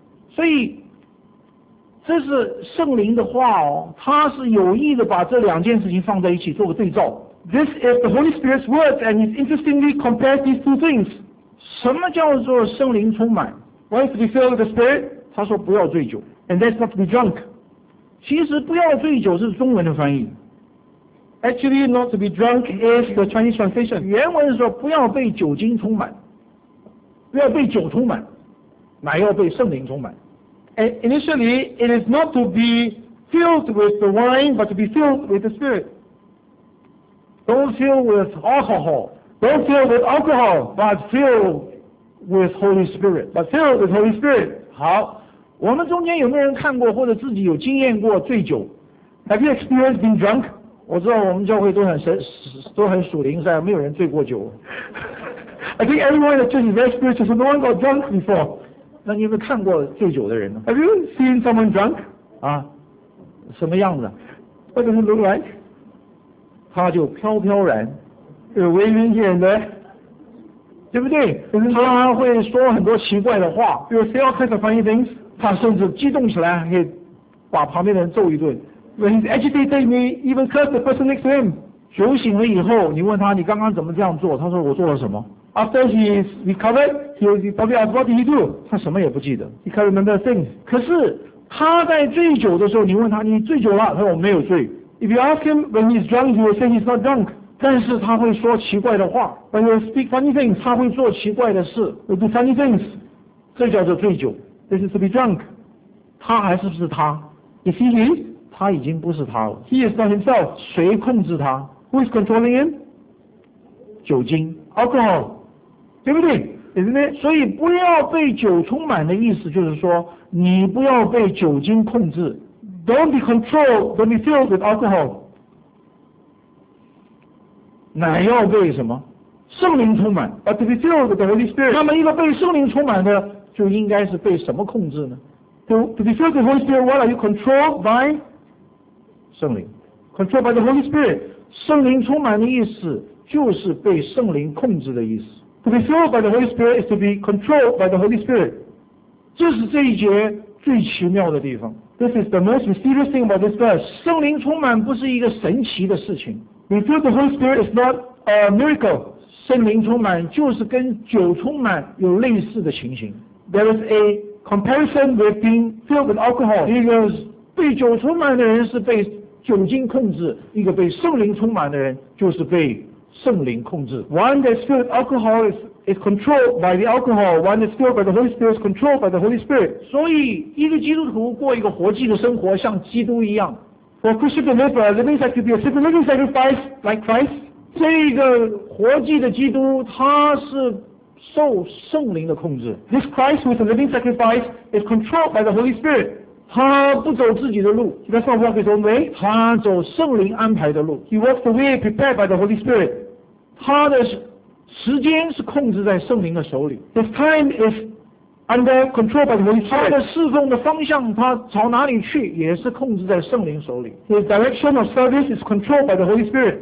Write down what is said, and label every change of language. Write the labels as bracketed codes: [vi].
[zh] 所以这是圣灵的话哦，他是有意的把这两件事情放在一起做个对照。 [en] This is the Holy Spirit's words, and it's interestingly compares these two things. [zh] 什么叫做圣灵充满？ [en] What is to be filled with the Spirit? [zh] 他说不要醉酒。 [en] And that's not to be drunk. [zh] 其实不要醉酒是中文的翻译。 [en] Actually, not to be drunk is the Chinese translation. [zh] 原文是说不要被酒精充满，不要被酒充满，乃要被圣灵充满。 [en] And initially, it is not to be filled with the wine, but to be filled with the Spirit. Don't fill with alcohol. Don't fill with alcohol, but fill with Holy Spirit. But fill with Holy Spirit. [zh] 好，我们中间有没有人看过或者自己有经验过醉酒？ [en] Have you experienced being drunk? [zh] 我知道我们教会都很属灵，是吧？没有人醉过酒。 [en] I think everyone in the church is very spiritual, so no one got drunk before. [zh] 那你有没有看过醉酒的人呢？ [en] Have you seen someone drunk? [zh] 啊，什么样子？ [en] What does it look like? [zh] 他就飘飘然， [en] You're waving here and there, [zh] 对不对？ [en] Isn't [zh] 他会说很多奇怪的话， [en] You'll say all kinds of funny things. [zh] 他甚至激动起来可以把旁边的人揍一顿。 [en] When he's agitated, he may even curse the person next to him. [zh] 酒醒了以后，你问他你刚刚怎么这样做，他说我做了什么。 [en] After he is recovered, he will probably ask what did he do. [zh] 他什么也不记得。 [en] He can't remember a thing. [zh] 可是他在醉酒的时候，你问他你醉酒了，他说我没有醉。 [en] If you ask him when he's drunk, he will say he's not drunk. [zh] 但是他会说奇怪的话。 [en] But he will speak funny things. [zh] 他会做奇怪的事。 [en] He'll do funny things. [zh] 这叫做醉酒。 [en] This is to be drunk. [zh] 他还是不是他？ [en] Is he him? [zh] 他已经不是他了。 [en] He is not himself. [zh] 谁控制他？ [en] Who is controlling him? [zh] 酒精。 [en] Alcohol. [zh] 对不对？ [en] Isn't it? [zh] 所以不要被酒充满的意思就是说你不要被酒精控制。 [en] Don't be controlled, don't be filled with alcohol. [zh] 乃要被什么？圣灵充满。 [en] But to be filled with the Holy Spirit. [zh] 那么一个被圣灵充满的就应该是被什么控制呢？ [en] To be filled with the Holy Spirit, what are you controlled by? [zh] 圣灵。 [en] Controlled by the Holy Spirit. [zh] 圣灵充满的意思就是被圣灵控制的意思。 [en] To be filled by the Holy Spirit is to be controlled by the Holy Spirit. [zh] 这是这一节最奇妙的地方。 [en] This is the most mysterious thing about this verse. [zh] 圣灵充满不是一个神奇的事情。 [en] Be filled with the Holy Spirit is not a miracle. [zh] 圣灵充满就是跟酒充满有类似的情形。 [en] There is a comparison with being filled with alcohol. Because [zh] 被酒充满的人是被酒精控制，一个被圣灵充满的人就是被圣灵控制。 [en] One that's filled with alcohol is controlled by the alcohol. One that's filled by the Holy Spirit is controlled by the Holy Spirit. [zh] 所以一个基督徒过一个活祭的生活，像基督一样。 [en] For Christian to live a living sacrifice, to be a living sacrifice like Christ. [zh] 这个活祭的基督，他是受圣灵的控制。 [en] This Christ who is a living sacrifice is controlled by the Holy Spirit. [zh] 他不走自己的路。 [en] He does not walk his own way. [zh] 他走圣灵安排的路。 [en] He walks the way prepared by the Holy Spirit. [zh] 他的时间是控制在圣灵的手里。 [en] His time is under control by the Holy Spirit. [zh] 他的侍奉的方向，他朝哪里去，也是控制在圣灵手里。 [en] His direction of service is controlled by the Holy Spirit.